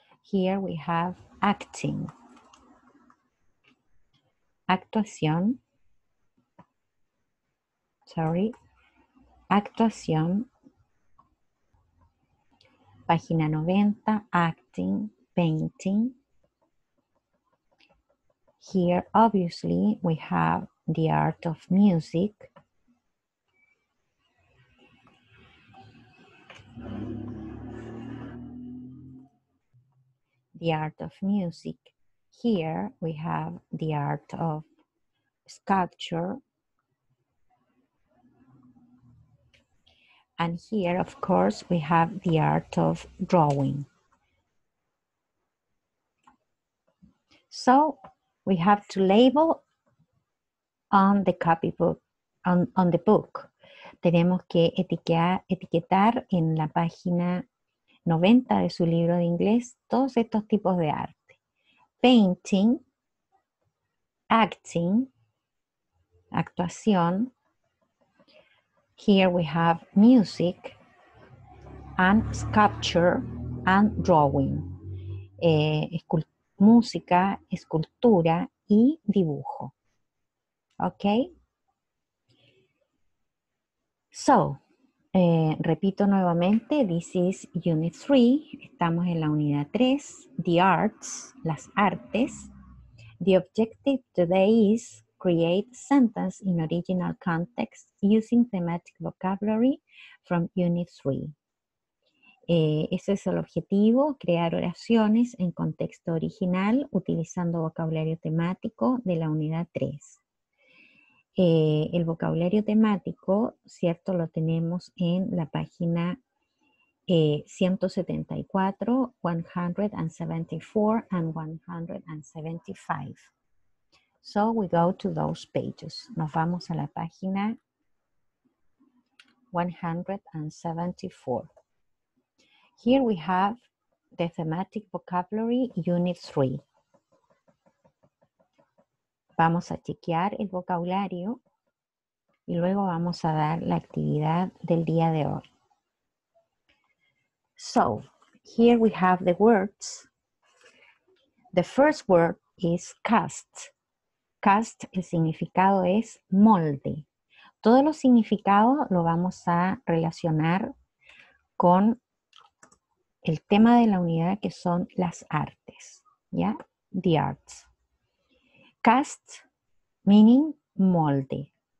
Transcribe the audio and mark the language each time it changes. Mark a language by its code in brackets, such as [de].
[en] Here we have acting, [es] actuación, sorry, actuación, página 90, [en] acting, painting. Here, obviously, we have the art of music. The art of music. Here, we have the art of sculpture. And here, of course, we have the art of drawing. So, we have to label on the copybook, on the book. [es] Tenemos que etiquetar en la página 90 de su libro de inglés todos estos tipos de arte. [en] Painting, acting, [es] actuación. [en] Here we have music and sculpture and drawing. [es] Música, escultura y dibujo. Ok. [en] So, [es] repito nuevamente, [en] this is Unit 3. [es] Estamos en la unidad 3, [en] the arts, [es] las artes. [en] The objective today is create sentence in original context using thematic vocabulary from Unit 3. [es] Ese es el objetivo, crear oraciones en contexto original utilizando vocabulario temático de la unidad 3. El vocabulario temático, cierto, lo tenemos en la página 174, [en] 174 and 175. So we go to those pages. [es] Nos vamos a la página 174. [en] Here we have the thematic vocabulary, Unit 3. [es] Vamos a chequear el vocabulario y luego vamos a dar la actividad del día de hoy. [en] So, here we have the words. The first word is cast. [es] Cast, el significado es molde. Todos los significados lo vamos a relacionar con el tema de la unidad que son las artes. [en] ¿Ya? The arts. Cast, meaning [es] molde.